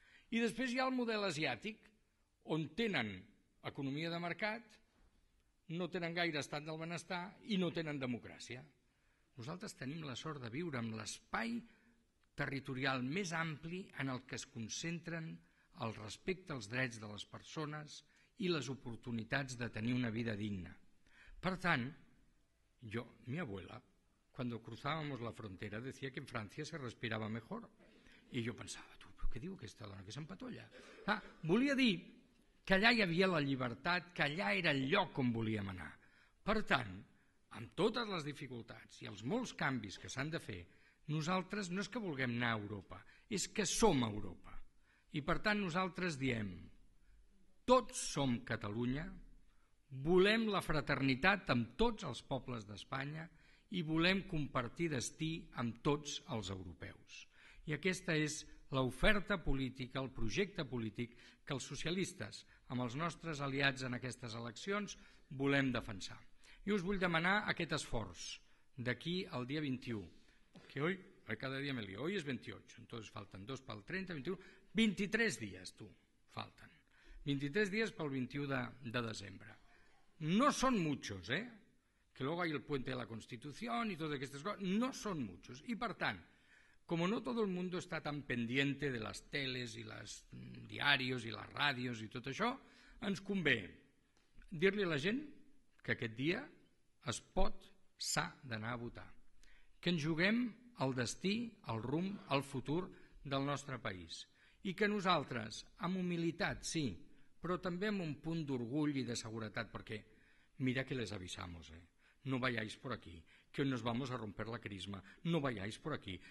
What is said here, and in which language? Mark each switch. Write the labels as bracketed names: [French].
[Catalan] I després hi ha el model asiàtic, on tenen economia de mercat, no tenen gaire estat del benestar i no tenen democràcia. Nosaltres tenim la sort de viure en l'espai territorial més ampli en el que es concentren el respecte als drets de les persones i les oportunitats de tenir una vida digna. Per tant, jo, [Spanish] mi abuela, cuando cruzábamos la frontera, decía que en Francia se respiraba mejor. [Catalan] I jo pensava, tu, però què diu aquesta dona que s'empatolla? Ah, volia dir que allà hi havia la llibertat, que allà era el lloc on volíem anar. Per tant, amb totes les dificultats i els molts canvis que s'han de fer, nosaltres no és que vulguem anar a Europa, és que som a Europa. I per tant nosaltres diem, tots som Catalunya, volem la fraternitat amb tots els pobles d'Espanya i volem compartir destí amb tots els europeus. I aquesta és l'oferta política, el projecte polític que els socialistes, amb els nostres aliats en aquestes eleccions, volem defensar. I us vull demanar aquest esforç d'aquí al dia 21, que [Spanish] hoy, cada dia me lio, hoy [Catalan] és 28, [Spanish] entonces [Catalan] falten dos pel 30, 21, 23 dies, tu, falten. 23 dies pel 21 de desembre. No són [Spanish] muchos, [Catalan] eh? [Spanish] Que luego hay el puente de la Constitución y todas [Catalan] aquestes coses, no són [Spanish] muchos. [Catalan] I per tant, com no tot el món està tan [Spanish] pendiente [Catalan] de les teles i les diaris i les ràdios i tot això, ens convé dir-li a la gent que aquest dia es pot, s'ha d'anar a votar. Que ens juguem el destí, el rumb, el futur del nostre país. I que nosaltres, amb humilitat, sí, però també amb un punt d'orgull i de seguretat, perquè mira que [Spanish] les avisamos, no vayáis por aquí, que hoy nos vamos a romper la crisma, no vayáis por aquí.